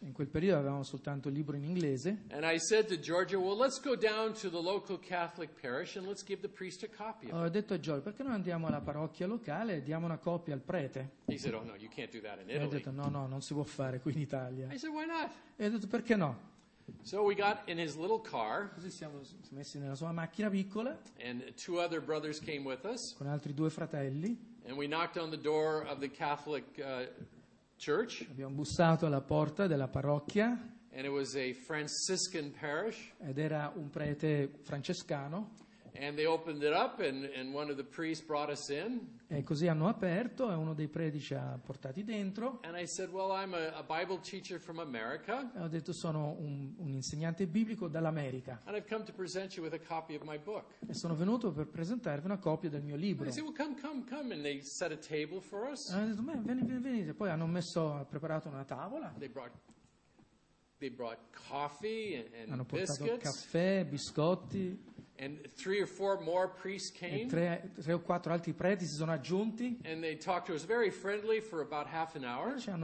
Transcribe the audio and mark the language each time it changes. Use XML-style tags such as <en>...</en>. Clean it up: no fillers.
<it>in quel periodo avevamo soltanto il libro in inglese,</it> <en>and I said to Giorgio, well, let's go down to the local Catholic parish and let's give the priest a copy.</en> <it>Ho detto a Giorgio, perché non andiamo alla parrocchia locale e diamo una copia al prete?</it> <en>He said, oh no, you can't do that in Italy.</en> <it>Ho detto, no, non si può fare qui in Italia.</it> <en>I said, why not?</en> <it>E ho detto, perché no?</it> <en>So we got in his little car.</en> <it>Così siamo messi nella sua macchina piccola.</it> <en>And two other brothers came with us.</en> <it>Con altri due fratelli.</it> <en>And we knocked on the door of the Catholic church.</en> <it>Abbiamo bussato alla porta della parrocchia.</it> <en>And it was a Franciscan parish.</en> <it>Ed era un prete francescano.</it> <en>And they opened it up, and one of the priests brought us in.</en> <it>E così hanno aperto, e uno dei preti ci ha portati dentro.</it> <en>And I said, well, I'm a Bible teacher from America.</en> <it>E ho detto, sono un insegnante biblico dall'America.</it> <en>And I've come to present you with a copy of my book.</en> <it>E sono venuto per presentarvi una copia del mio libro.</it> <en>And I said, well, come, and they set a table for us.</en> <it>E ho detto, beh, venite. Poi hanno preparato una tavola.</it> <en>They brought coffee and</en> <it>hanno</it> <en>biscuits.</en> <it>Hanno portato caffè, biscotti.</it> <en>And three or four more priests came.</en> <it>Tre o quattro altri preti si sono aggiunti.</it> <en>And they talked to us very friendly for about half an hour.</en>